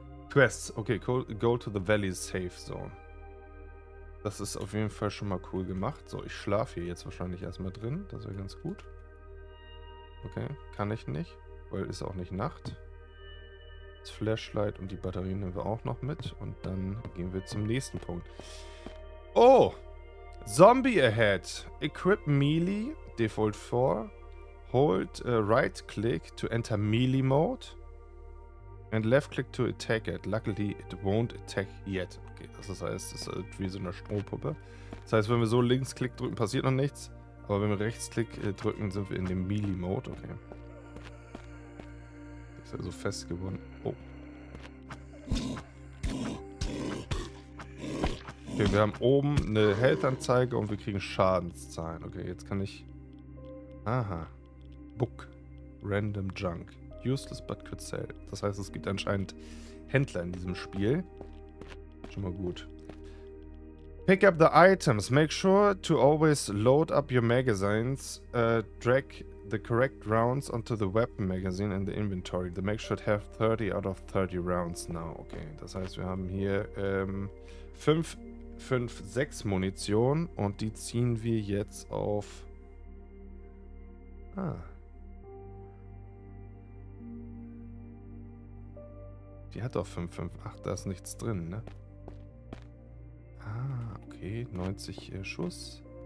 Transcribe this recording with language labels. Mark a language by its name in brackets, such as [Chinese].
[English] Quests, okay, go to the Valley Safe Zone. [German] Das ist auf jeden Fall schon mal cool gemacht. So, ich schlafe hier jetzt wahrscheinlich erstmal drin, das wäre ganz gut. Okay, kann ich nicht, weil ist auch nicht Nacht. Das Flashlight und die Batterien nehmen wir auch noch mit und dann gehen wir zum nächsten Punkt. [English] Oh, Zombie ahead, equip melee, default 4. Hold right click to enter melee mode and left click to attack it. Luckily it won't attack yet. [German] Okay, das heißt, es ist wie so eine Strohpuppe. Das heißt, wenn wir so links klick drücken, passiert noch nichts. Aber wenn wir rechts klick drücken, sind wir in dem melee mode. Okay. Ist also fest geworden. Oh. Okay, wir haben oben eine Health-Anzeige und wir kriegen Schadenszahlen. Okay, jetzt kann ich. Aha. Book. Random Junk. [English] Useless but could sell. [German] Das heißt, es gibt anscheinend Händler in diesem Spiel. Schon mal gut. [English] Pick up the items. Make sure to always load up your magazines. Drag the correct rounds onto the weapon magazine in the inventory. The mag should have 30 out of 30 rounds now. [German] Okay, das heißt, wir haben hier 5, 6 Munition und die ziehen wir jetzt auf. Ah. Die hat doch 5, 5, 8, da ist nichts drin, ne? Ah, okay, 90 Schuss.